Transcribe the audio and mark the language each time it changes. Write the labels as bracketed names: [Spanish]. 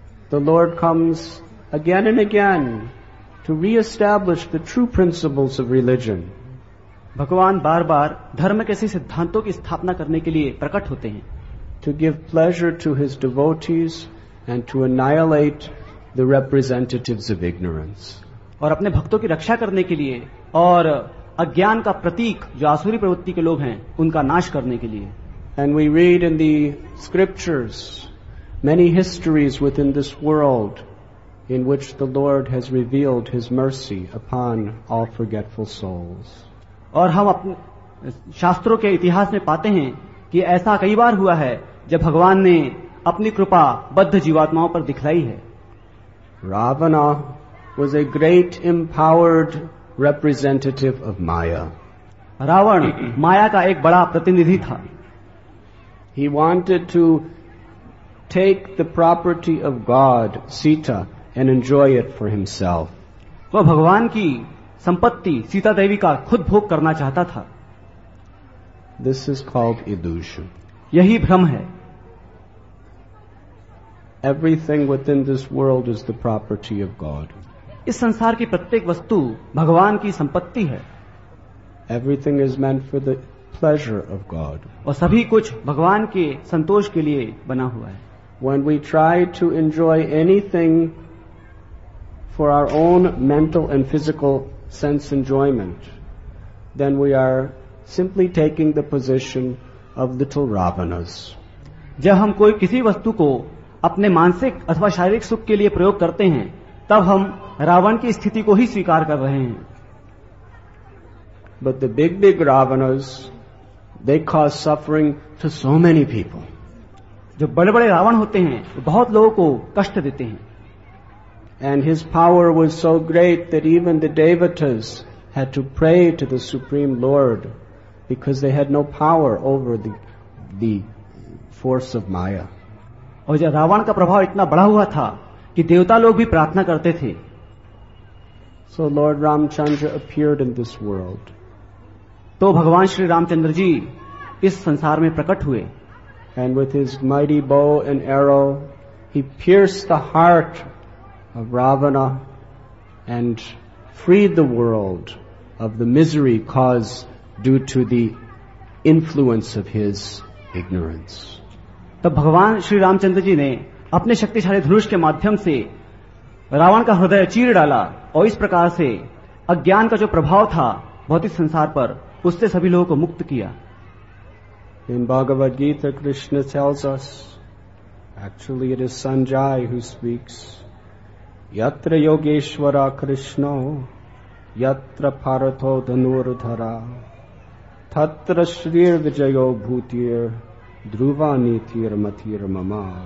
[English] The Lord comes again and again to re-establish the true principles of religion. [Hindi] भगवान बार बार धर्म के ऐसे सिद्धांतों की स्थापना करने के लिए प्रकट होते हैं। [English] To give pleasure to his devotees and to annihilate the representatives of ignorance. [Hindi] और अपने भक्तों की रक्षा करने के लिए और अज्ञान का प्रतीक जो आसुरी प्रवृत्ति के लोग हैं उनका नाश करने के लिए। [English] And we read in the scriptures many histories within this world in which the Lord has revealed his mercy upon all forgetful souls. [Hindi] और हम अपने शास्त्रों के इतिहास में पाते हैं कि ऐसा कई बार हुआ है जब भगवान ने अपनी कृपा बद्ध जीवात्माओं पर दिखलाई है। [English] Ravana was a great empowered representative of Maya. [Hindi] Ravan माया का एक बड़ा प्रतिनिधि था। [English] He wanted to take the property of God, Sita, and enjoy it for himself. [Hindi] वो भगवान की संपत्ति सीता देवी का खुद भोग करना चाहता था। [English] This is called illusion. [Hindi] यही भ्रम है। [English] Everything within this world is the property of God. [Hindi] इस संसार की प्रत्येक वस्तु भगवान की संपत्ति है। [English] Everything is meant for the pleasure of God. [Hindi] और सभी कुछ भगवान के संतोष के लिए बना हुआ है। [English] When we try to enjoy anything for our own mental and physical sense enjoyment, then we are simply taking the position of little Ravanas. [Hindi] जब हम कोई किसी वस्तु को अपने मानसिक अथवा शारीरिक सुख के लिए प्रयोग करते हैं तब हम रावण की स्थिति को ही स्वीकार कर रहे हैं। [English] But the big, big Ravanas, they cause suffering to so many people. [Hindi] जो बड़े बड़े रावण होते हैं वो बहुत लोगों को कष्ट देते हैं। [English] And his power was so great that even the devatas had to pray to the Supreme Lord because they had no power over the force of Maya. [Hindi] और जब रावण का प्रभाव इतना बड़ा हुआ था कि देवता लोग भी प्रार्थना करते थे। [English] So Lord Ramchandra appeared in this world. [Hindi] तो भगवान श्री रामचंद्र जी इस संसार में प्रकट हुए। [English] And with his mighty bow and arrow, he pierced the heart of Ravana and freed the world of the misery caused due to the influence of his ignorance. [Hindi] तब भगवान श्री रामचंद्र जी ने अपने शक्तिशाली धनुष के माध्यम से रावण का हृदय चीर डाला और इस प्रकार से अज्ञान का जो प्रभाव था भौतिक संसार पर उससे सभी लोगों को मुक्त किया। [English] In Bhagavad Gita, Krishna tells us, actually it is Sanjay who speaks, [Sanskrit] Yatra Yogeshwara Krishna, Yatra Paratho Dhanurdhara, तत्र श्रीर विजयो भूतिर ध्रुवा नीतिर मतिर ममा.